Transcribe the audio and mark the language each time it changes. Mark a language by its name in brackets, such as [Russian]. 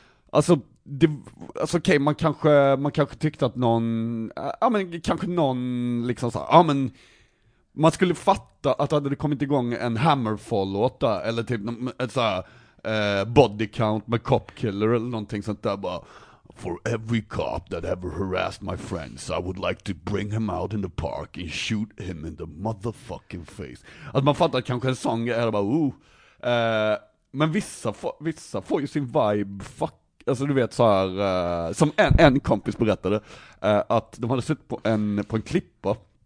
[Swedish] Alltså okej, okay, man kanske tyckte att någon... Ja, men kanske någon liksom sa... Ja, men man skulle fatta att hade det kommit igång en Hammerfall-låt där, eller typ ett så här body count med Cop Killer eller någonting sånt där, bara... [English] For every cop that ever harassed my friends, I would like to bring him out in the park and shoot him in the motherfucking face. [Swedish] Alltså man fattar kanske en sång är bara... men vissa får ju sin vibe fuck, alltså du vet så här, som en kompis berättade att de hade suttit på en klippa.